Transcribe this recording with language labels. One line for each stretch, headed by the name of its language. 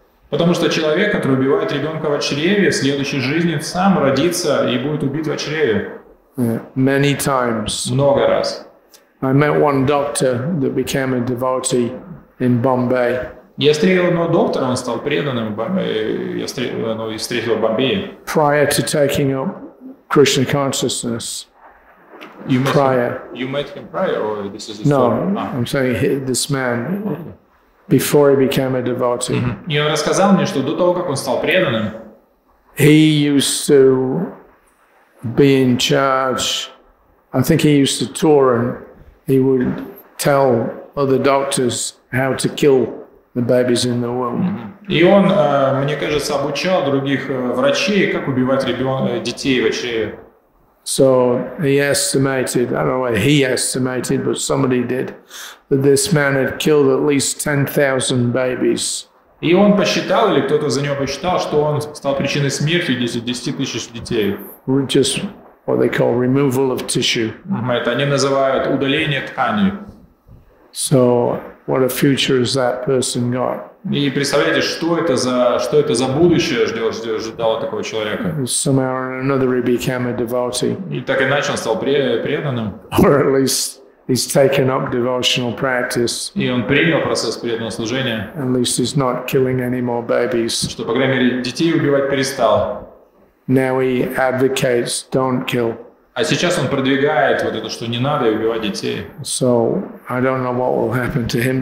Russian: Потому что человек, который убивает ребенка в чреве, в следующей жизни сам родится и будет убит в чреве.
English: Many times.
Russian: Много раз.
English: I met one doctor that became a devotee in Bombay.
Russian: Я встретил одного доктора, он стал преданным в Бомбее.
English: Prior to taking up Krishna consciousness. You met him prior, or this is the story? No, I'm saying this man before he became a devotee.
Russian: Mm-hmm. И он рассказал мне, что до того, как он стал преданным,
English: he used to be in charge. I think he used to tour and he would tell other doctors how to kill the babies in the womb. Mm-hmm.
Russian: И он, мне кажется, обучал других врачей, как убивать детей в чреве.
English: So he estimated, I don't know what he estimated, but somebody did, that this man had killed at least 10,000 babies.
Russian: И он посчитал, или кто-то за него посчитал, что он стал причиной смерти 10,000 детей.
English: Just what they call removal of tissue. Mm-hmm.
Russian: Это они называют удаление ткани.
English: So what a future has that person got?
Russian: И представляете, что это за будущее ждало такого человека?
English: Somehow or another he became a devotee.
Russian: И так иначе он стал преданным.
English: Or at least he's taken up devotional practice.
Russian: И он принял процесс преданного служения.
English: At least he's not killing any more babies.
Russian: Что, по крайней мере, детей убивать перестал.
English: Now he advocates don't kill.
Russian: А сейчас он продвигает вот это, что не надо убивать детей.
English: So I don't know what will happen to him.